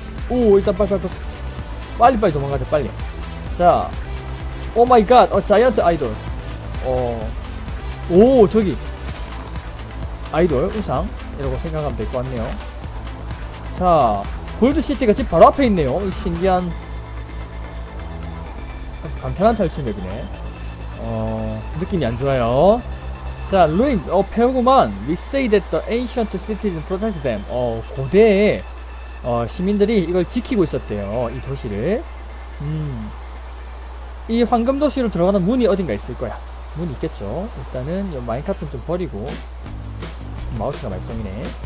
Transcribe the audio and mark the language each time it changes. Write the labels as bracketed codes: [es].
[ko] 오, 일단 빨리 도망가자, 빨리. 자, 오 마이 갓, 자이언트 아이돌. 오, 저기. 아이돌, 우상. 이러고 생각하면 될것 같네요. 자, 골드시티가 집 바로 앞에 있네요. 이 신기한. 아주 간편한 탈출 맵이네. 느낌이 안 좋아요. 자, ruins, 배우구만. [en] We say that the ancient cities protected them. [ko] 고대 시민들이 이걸 지키고 있었대요. 이 도시를. 이 황금 도시로 들어가는 문이 어딘가 있을 거야. 문 있겠죠. 일단은 이 마인카트는 좀 버리고. 마우스가 말썽이네.